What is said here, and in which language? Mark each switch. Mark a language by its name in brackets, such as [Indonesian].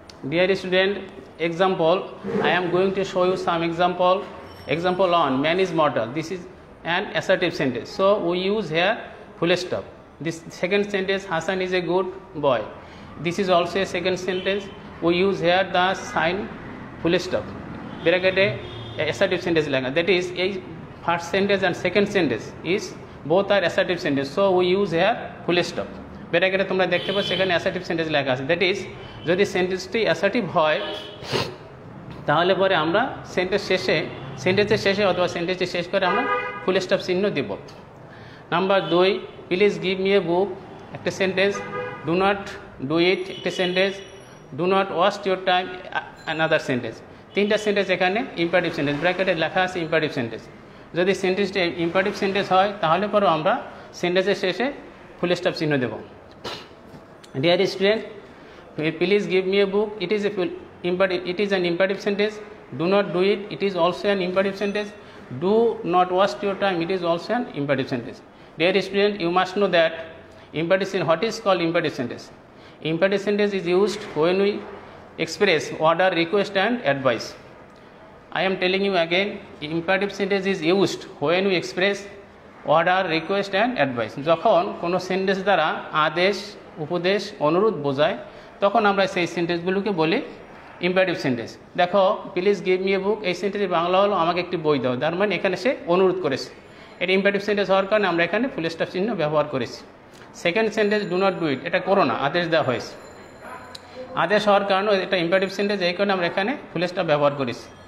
[English] Dear student, example I am going to show you some example example on man is mortal, this is and assertive sentence. So we use here full stop. This second sentence, Hassan is a good boy. This is also a second sentence. We use here the sign full stop. Bracket assertive sentence like that. That is a first sentence and second sentence is both are assertive sentence. So we use here full stop. Bracket [Bangla] tumra dekhte pao [English] second assertive sentence like [Bangla] ache. [English] That is [Bangla] jodi sentence ti assertive hoy tahole pore amra সেন্টেন্সের শেষে অথবা সেন্টেন্সের শেষ করে আমরা full stop চিহ্ন দেব। [English] number 2, please give me a book [Bangla] একটা sentence, [English] Do not do it একটা sentence, do not waste your time another sentence. [Bangla] তিনটা সেন্টেন্স এখানে ইম্পারেটিভ সেন্টেন্স, ব্র্যাকেটে লেখা আছে ইম্পারেটিভ সেন্টেন্স। যদি সেন্টেন্সটি ইম্পারেটিভ সেন্টেন্স হয় তাহলে পরেও আমরা সেন্টেন্সের শেষে ফুল স্টপ চিহ্ন দেব। [English] Dear student, please give me a book it is an imperative sentence. Do not do it, it is also an imperative sentence. Do not waste your time, it is also an imperative sentence. Dear student, you must know that imperative sentence, what is called imperative sentence? Imperative sentence is used when we express order, request and advice. I am telling you again, imperative sentence is used when we express order, request and advice. [Bangla] Jokhon kono sentence dara adesh, upodesh, onurodh bojhay, tokhon amra sei sentence guloke boli imperative sentence. দেখো, [English] please give me a book, [Bangla] এই সেন্টেন্সের বাংলা হলো আমাকে একটি বই দাও, তার মানে এখানে সে অনুরোধ করেছে। এটা ইম্পারেটিভ সেন্টেন্স হওয়ার কারণে আমরা এখানে ফুল স্টপ চিহ্ন ব্যবহার করেছি। [English] second sentence, do not do it, [Bangla] এটা করো না, আদেশ দেওয়া হয়েছে। আদেশ হওয়ার কারণে এটা ইম্পারেটিভ সেন্টেন্স, এই কারণে আমরা এখানে ফুল স্টপ ব্যবহার করেছি।